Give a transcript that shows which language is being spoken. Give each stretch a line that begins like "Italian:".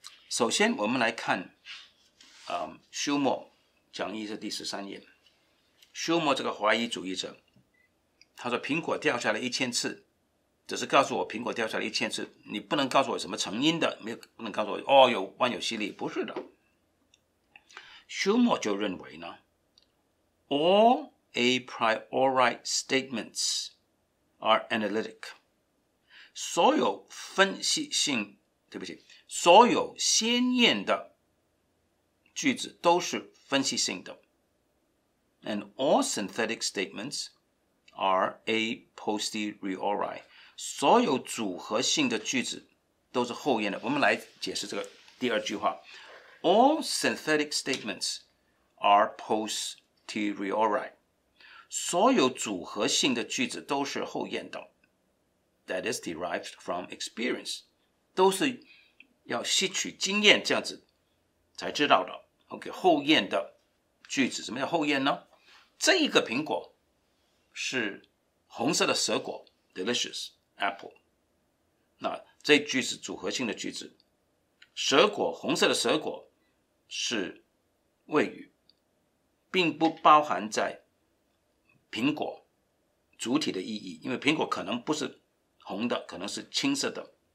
Chinese: 首先我们来看休谟讲义是第13页。休谟这个怀疑主义者，他说苹果掉下来1000次，只是告诉我苹果掉下来1000次，你不能告诉我什么成因的，没有不能告诉我哦有万有引力，不是的。休谟就认为呢
English: ，All a priori statements are analytic。
Chinese: 所有分析性，对不起，所有先验的句子都是分析性的。
English: And all synthetic statements are a posteriori。
Chinese: 所有组合性的句子都是后验的。我们来解释这个第二句话。
English: All synthetic statements are posteriori.
Chinese: 所有组合性的句子都是后验的。
English: That is derived from experience.
Chinese: 都是要吸取经验这样子才知道的。 OK, 后验的句子，什么叫后验呢？这一个苹果是红色的蛇果 ,
English: delicious, apple.
Chinese: 那这句是组合性的句子。蛇果，红色的蛇果是谓语，并不包含在苹果主体的意义，因为苹果可能不是红的，可能是青色的。